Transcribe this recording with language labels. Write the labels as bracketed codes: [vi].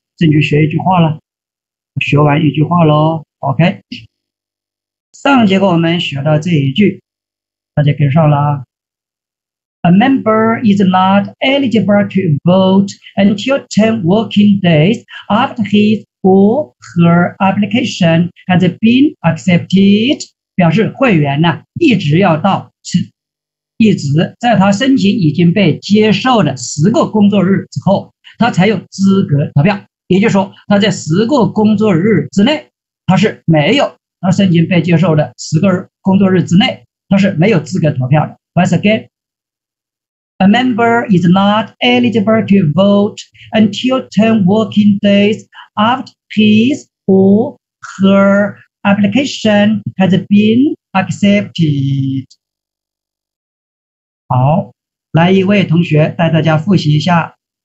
[zh] 自己学一句话了，学完一句话咯。 OK， 上节课我们学到这一句，大家跟上了啊。 [en] A member is not eligible to vote until 10 working days after his or her application has been accepted. [zh] 表示会员呢，一直要到，一直在他申请已经被接受的十个工作日之后，他才有资格投票。也就是说，他在十个工作日之内，他是没有，他申请被接受的十个工作日之内，他是没有资格投票的。 [en] Once again. A member is not eligible to vote until 10 working days after his or her application has been accepted. [zh] 好，来一位同学带大家复习一下。